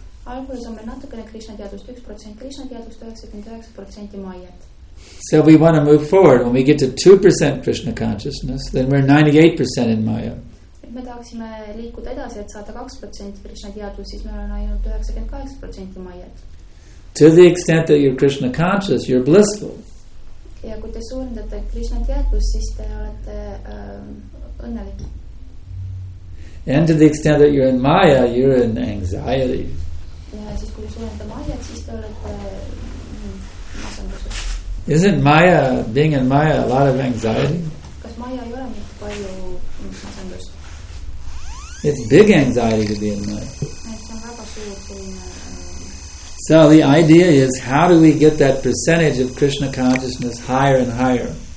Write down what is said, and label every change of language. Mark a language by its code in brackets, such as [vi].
[en] So we want to move forward. When we get to 2% Krishna consciousness, then we're 98% in Maya. [et] Me tahaksime liikuda edasi, et saada 2% Krishna teadus, siis me oleme ainult 98% Mayat. [en] To the extent that you're Krishna conscious, you're blissful. [et] Ja kui te suurendate Krishna teadvust, siis te olete õnnelik. [en] And to the extent that you're in Maya, you're in anxiety. [et] Ja siis kui suurendate Maya, siis te olete masendus. [en] Isn't Maya, being in Maya, a lot of anxiety? [et] Kas Maya ei ole mitte palju masendus? [en] It's big anxiety to be in Maya. So the idea is, how do we get that percentage of Krishna consciousness higher and higher?